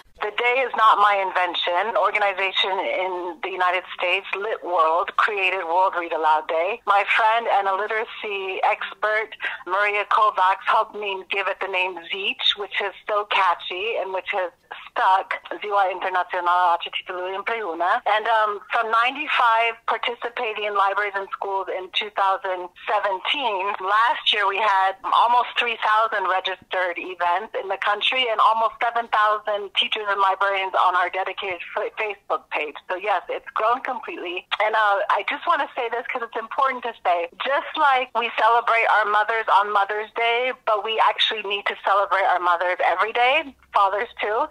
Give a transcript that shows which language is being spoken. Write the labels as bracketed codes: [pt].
[en] The day is not my invention. Organization in the United States, Lit World, created World Read Aloud Day. My friend and a literacy expert, Maria Kovacs, helped me give it the name Zeech, which is so catchy and which has stuck. [ro] Ziua Internațională a Cititului Împreună. [en] And from 95 participating in libraries and schools in 2017, last year we had almost 3,000 registered events in the country and almost 7,000 teachers and librarians on our dedicated Facebook page. So yes, it's grown completely. And I just want to say this because it's important to say, just like we celebrate our mothers on Mother's Day, but we actually need to celebrate our mothers every day, fathers too.